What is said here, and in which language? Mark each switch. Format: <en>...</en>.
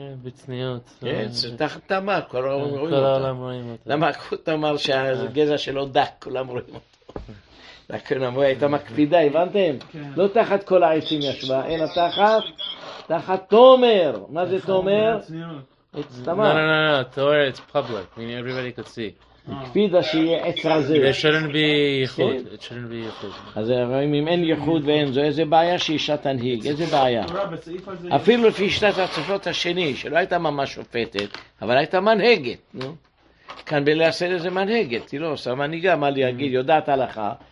<he>בצניות. תחת תמר, כל העולם רואים אותו. למה קחו תמר שהגזע שלו דק, כולם רואים אותו. לכן אמרו, הייתה מקפידה, הבנתם? לא תחת כל העצים ישבה, אלא תחת, תחת תומר. מה זה תומר?</he> <en>It's תמר. No, no, no, no, Torah, it's public. I mean, everybody could see.</en> <he>הקפידה שיהיה עץ רזה.</he> <en>It shouldn't be ייחוד.</en> <he>אז אם אין ייחוד ואין זו, איזה בעיה שאישה תנהיג, איזה בעיה? אפילו לפי שיטת הצופות השני, שלא הייתה ממש שופטת, אבל הייתה מנהגת. כאן בלעשות איזה מנהגת, היא לא עושה מנהיגה, מה להגיד, יודעת הלכה.</he>